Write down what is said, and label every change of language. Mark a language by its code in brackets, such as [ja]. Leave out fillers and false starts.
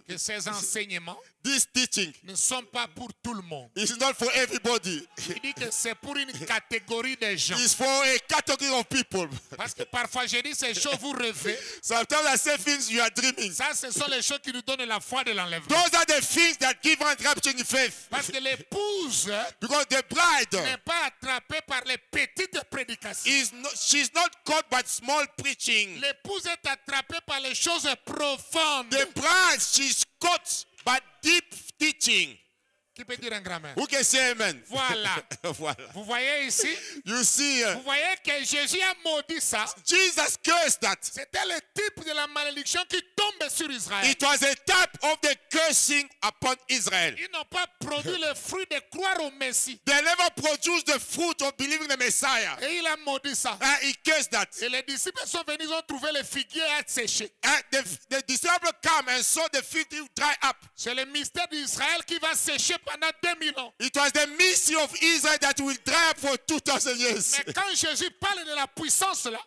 [fr] Que ces enseignements, [en] this teaching, [fr] ne sont pas pour tout le monde. [en] It's not for everybody. [fr] Il dit que c'est pour une catégorie de gens. [en] It's for a category of people. [fr] Parce que parfois je dis ces choses vous rêvez. [en] Sometimes I say things you are dreaming. [fr] Ça, ce sont les choses qui nous donnent la foi de l'enlèvement. [en] Those are the things that give us rapturing faith. [fr] Parce que l'épouse, [en] because the bride, [fr] n'est pas attrapée par les petites prédications. [en] She's not caught by small preaching. [fr] L'épouse est attrapée par les choses profondes. [en] The bride, she's caught by deep teaching. [fr] Qui peut dire un grand amen? [en] Who can say amen? [fr] Voilà. [en] Voilà. [fr] Vous voyez ici? [en] You see. [fr] Vous voyez que Jésus a maudit ça. [en] Jesus cursed that. [fr] C'était le type de la malédiction qui tombe sur Israël. [en] It was a type of the cursing upon Israel. [fr] Ils n'ont pas produit le fruit de croire au Messie. [en] They never produced the fruit of believing the Messiah. [fr] Et il a maudit ça. [en] He cursed that. [fr] Et les disciples sont venus, ils ont trouvé le figuier à sécher. [en] The disciples come and saw the fig dry up. [fr] C'est le mystère d'Israël qui va sécher pendant 2000 ans. [en] It was the mystery of Israel that will dry up for 2000 years. [fr] Mais quand Jésus parle de la puissance là.